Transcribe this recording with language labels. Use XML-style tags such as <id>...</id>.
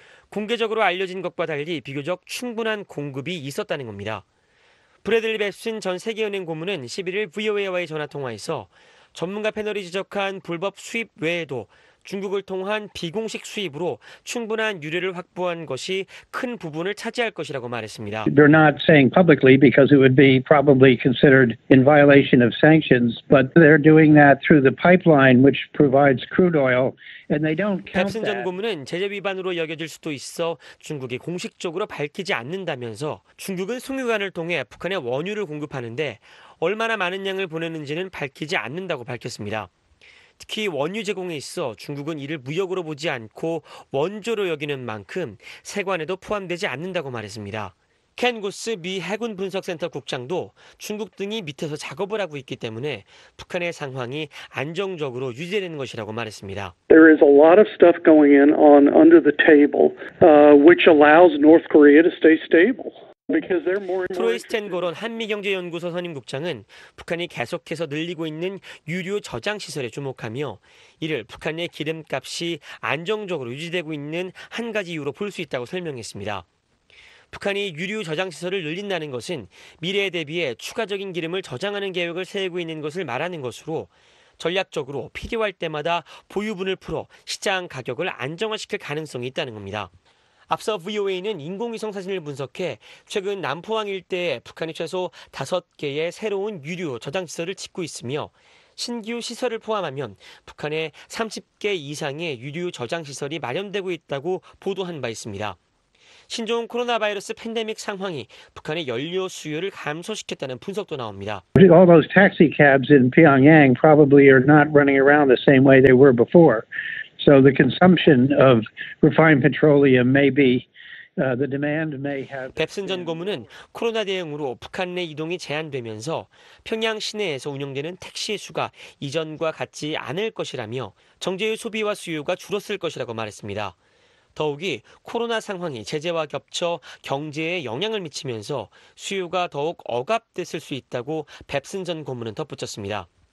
<ko>공개적으로 알려진 것과 달리 비교적 충분한 공급이 있었다는 겁니다. 브래들리 베슨 전 세계은행 고문은 11일 VOA와의 전화통화에서 전문가 패널이 지적한 불법 수입 외에도 중국을 통한 비공식 수입으로 충분한 유례를 확보한 것이 큰 부분을 차지할 것이라고 말했습니다.</ko> <en>They're not saying publicly because it would be probably considered in violation of sanctions, but they're doing that through the pipeline which provides crude oil and they don't count that.</en> <ko>탑슨 전 고문은 제재 위반으로 여겨질 수도 있어 중국이 공식적으로 밝히지 않는다면서 중국은 송유관을 통해 북한에 원유를 공급하는데 얼마나 많은 양을 보내는지는 밝히지 않는다고 밝혔습니다. 특히 원유 제공에 있어 중국은 이를 무역으로 보지 않고 원조로 여기는 만큼 세관에도 포함되지 않는다고 말했습니다. 켄 구스 미 해군 분석센터 국장도 중국 등이 밑에서 작업을 하고 있기 때문에 북한의 상황이 안정적으로 유지되는 것이라고 말했습니다.</ko> <en>There is a lot of stuff going in on under the table, which allows North Korea to stay stable.</en> <ko>트로이 스텐고론 한미경제연구소 선임국장은 북한이 계속해서 늘리고 있는 유류 저장 시설에 주목하며 이를 북한의 기름값이 안정적으로 유지되고 있는 한 가지 이유로 볼 수 있다고 설명했습니다. 북한이 유류 저장 시설을 늘린다는 것은 미래에 대비해 추가적인 기름을 저장하는 계획을 세우고 있는 것을 말하는 것으로 전략적으로 필요할 때마다 보유분을 풀어 시장 가격을 안정화시킬 가능성이 있다는 겁니다. 앞서 VOA는 인공위성 사진을 분석해 최근 남포항 일대에 북한이 최소 5개의 새로운 유류 저장시설을 짓고 있으며 신규 시설을 포함하면 북한에 30개 이상의 유류 저장시설이 마련되고 있다고 보도한 바 있습니다. 신종 코로나 바이러스 팬데믹 상황이 북한의 연료 수요를 감소시켰다는 분석도 나옵니다.</ko> <en>All those taxi cabs in Pyongyang probably are not running around the same way they were before. So the consumption of refined petroleum may be the demand may have</en> <ko>뎁슨 전 고문은 코로나 대응으로 북한 내 이동이 제한되면서 평양 시내에서 운영되는 택시의 수가 이전과 같지 않을 것이라며 정제유 소비와 수요가 줄었을 것이라고 말했습니다. 더욱이 코로나 상황이 제재와 겹쳐 경제에 영향을 미치면서 수요가 더욱 억압됐을 수 있다고 뎁슨 전 고문은 덧붙였습니다.</ko>